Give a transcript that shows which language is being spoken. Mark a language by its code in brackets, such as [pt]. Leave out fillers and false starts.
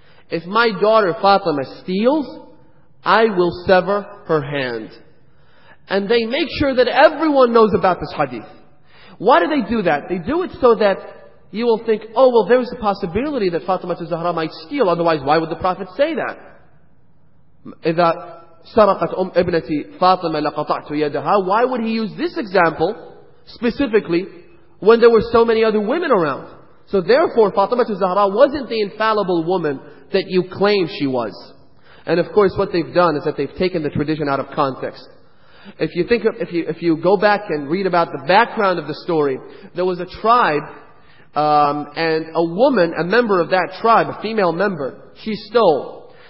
[en] If my daughter Fatima steals, I will sever her hand. And they make sure that everyone knows about this hadith. Why do they do that? They do it so that you will think, oh, well, there is a possibility that Fatima al-Zahra might steal. Otherwise, why would the Prophet say that? [ar] إِذَا سَرَقَتْ أُمْ إِبْنَتِي فَاطِمَ لَقَطَعْتُ يَدَهَا. [en] Why would he use this example specifically when there were so many other women around. So therefore, Fatima al-Zahra wasn't the infallible woman that you claim she was. And of course, what they've done is that they've taken the tradition out of context. If you think of, if you go back and read about the background of the story, there was a tribe, and a woman, a member of that tribe, a female member, she stole.